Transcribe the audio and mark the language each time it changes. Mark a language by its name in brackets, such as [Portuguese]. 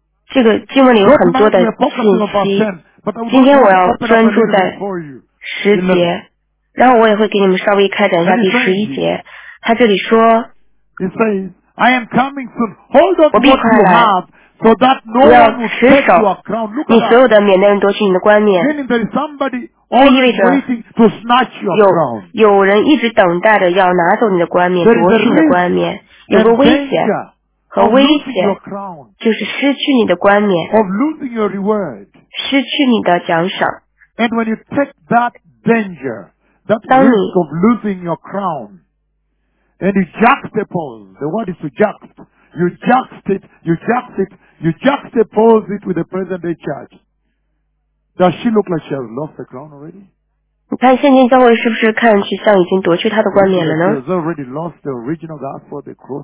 [Chinese] 这个经文里有很多的信息，今天我要专注在十节，然后我也会给你们稍微开展一下第十一节。他这里说。 [English] I am coming soon. Hold on to what you have, so that no one will take your crown. Look at that. [Chinese] 你所有的，免得人夺取你的冠冕。 [English] Meaning there is somebody always waiting to snatch your crown. [Chinese] 有人一直等待着要拿走你的冠冕，夺取你的冠冕。有个危险和危险，就是失去你的冠冕，失去你的奖赏。 [English] And when you take that danger, that risk of losing your crown. And you juxtapose, the word is to juxt. You juxt it, you juxt it, you juxtapose it with the present day church. Does she look like she has lost the crown already? [Chinese] 你看现今教会是不是看去像已经夺去她的冠冕了呢？ [English] She has already lost the original gospel, the cross.